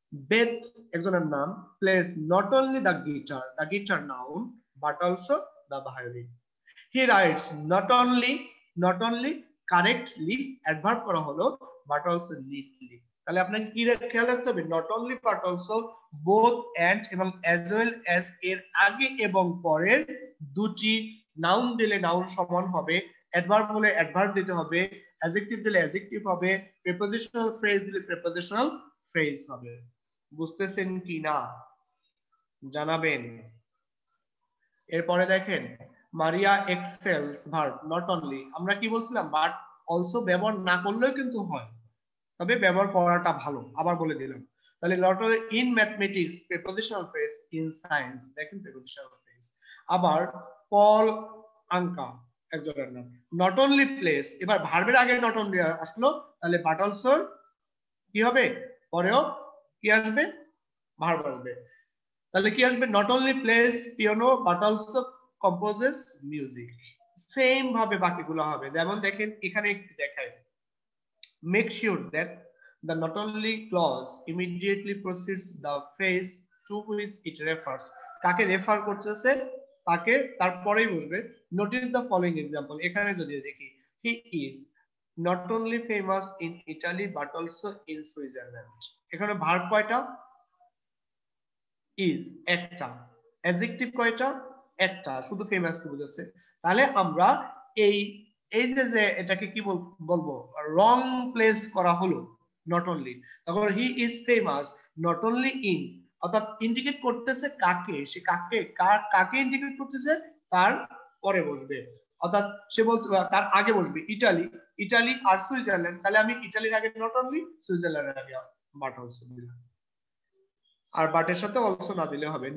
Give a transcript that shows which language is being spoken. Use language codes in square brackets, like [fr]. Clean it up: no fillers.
[en] Beth [bn] একজনের নাম, [en] plays not only the guitar noun, but also the violin. He writes not only correctly adverb [bn] করা হলো, [en] but also neatly. [bn] তাহলে আপনাকে কি খেয়াল রাখতে হবে, not only but also both and এবং as well as এর আগে এবং পরের দুটি noun দিলে noun সমান হবে, adverb হলে adverb দিতে হবে, adjective দিলে adjective হবে, prepositional phrase দিলে prepositional phrase হবে। বুঝতেছেন কি না জানাবেন। এরপরে দেখেন, মারিয়া এক্সেলস ভার্ব, not only আমরা কি বলছিলাম, but also ব্যবহার না করলেও কিন্তু হয়, তবে ব্যবহার করাটা ভালো, আবার বলে দিলাম। তাহলে not only in mathematics prepositional phrase, in science দেখেন prepositional phrase। আবার পল আঙ্কা একজনের নাম, not only place, এবার ভার্বের আগে not only আসলো, তাহলে but also কি হবে, পরেও কি আসবে, ভার্ব আসবে, তাহলে কি আসবে, [en] not only plays piano but also composes music, [bn] same ভাবে বাকিগুলো হবে। [en] যেমন দেখেন এখানে একটু দেখাই, make sure that the not only clause immediately precedes the phrase to which it refers, [bn] কাকে রেফার করতেছে তাকে তারপরেই বুঝবে। [en] notice the following example, [bn] এখানে যদি দেখি, [en] he is not only famous in Italy but also in Switzerland, এখানে verb কয়টা, is একটা, adjective কয়টা, একটা, [bn] শুধু famous কে বোঝাচ্ছে। তাহলে আমরা এই এই যে যে এটাকে কি বলবো, wrong place করা হলো not only, তারপর he is famous not only in, অর্থাৎ ইন্ডিকেট করতেছে কাকে, সে কাকে কার কাকে ইন্ডিকেট করতেছে, তার পরে বসবে, অর্থাৎ সে বলছে তার আগে বসবে ইটালি, ইটালি আর সুইজারল্যান্ড, তাহলে আমি ইটালির আগে not only সুইজারল্যান্ডের আগে বাট অলসো দিলাম, আর বাটের সাথে অলসো না দিলে হবে।